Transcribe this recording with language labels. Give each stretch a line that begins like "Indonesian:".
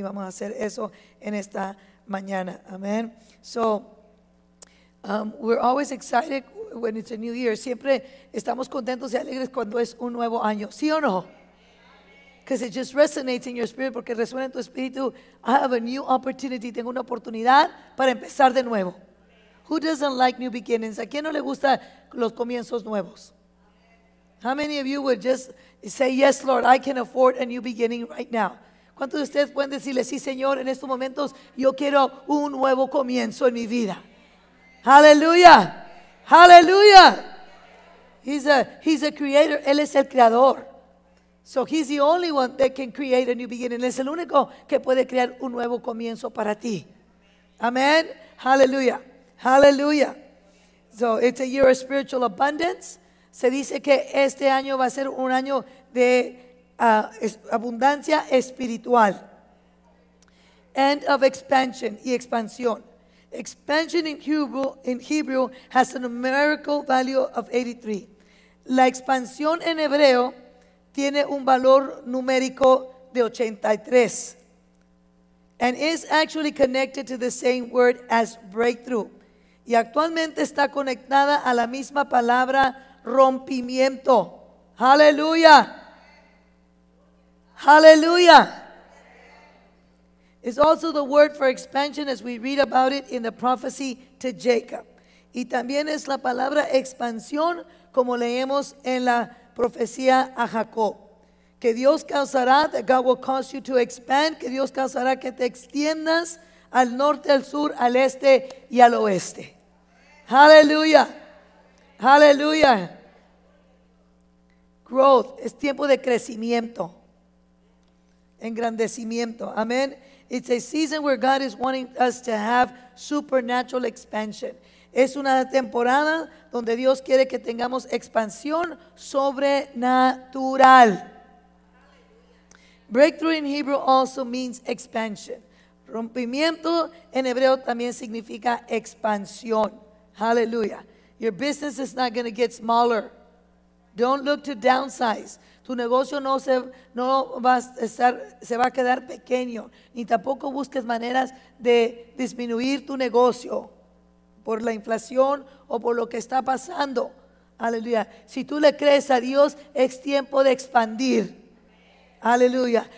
Spanish: Y vamos a hacer eso en esta mañana.
English: Amen. So, we're always excited when it's a new year.
Spanish: Siempre estamos contentos y alegres cuando es un nuevo año. ¿Sí o no?
English: Because it just resonates in your spirit.
Spanish: Porque resuena en tu espíritu.
English: I have a new opportunity.
Spanish: Tengo una oportunidad para empezar de nuevo.
English: Who doesn't like new beginnings?
Spanish: ¿A quién no le gusta los comienzos nuevos?
English: How many of you would just say, yes, Lord, I can afford a new beginning right now?
Spanish: ¿Cuántos de ustedes pueden decirle, sí, Señor, en estos momentos yo quiero un nuevo comienzo en mi vida?
English: Hallelujah! Hallelujah! He's a creator.
Spanish: Él es el creador.
English: So he's the only one that can create a new beginning.
Spanish: Él es el único que puede crear un nuevo comienzo para ti. Amen? Hallelujah! Hallelujah!
English: So it's a year of spiritual abundance.
Spanish: Se dice que este año va a ser un año de abundancia espiritual.
English: And of expansion,
Spanish: y expansión.
English: Expansion in Hebrew has a numerical value of 83.
Spanish: La expansión en hebreo tiene un valor numérico de 83.
English: And is actually connected to the same word as breakthrough.
Spanish: Y actualmente está conectada a la misma palabra rompimiento. Aleluya. Aleluya.
English: It's also the word for expansion as we read about it in the prophecy to Jacob.
Spanish: Y también es la palabra expansión como leemos en la profecía a Jacob. Que Dios causará,
English: that God will cause you to expand,
Spanish: que Dios causará que te extiendas al norte, al sur, al este y al oeste. Aleluya. Aleluya. Growth, es tiempo de crecimiento, engrandecimiento, amen.
English: It's a season where God is wanting us to have supernatural expansion.
Spanish: Es una temporada donde Dios quiere que tengamos expansión sobrenatural.
English: Breakthrough in Hebrew also means expansion.
Spanish: Rompimiento en hebreo también significa expansión.
English: Hallelujah. Your business is not going to get smaller. Don't look to downsize.
Spanish: Tu negocio no se va a quedar pequeño. Ni tampoco busques maneras de disminuir tu negocio por la inflación o por lo que está pasando. Aleluya. Si tú le crees a Dios, es tiempo de expandir. Aleluya.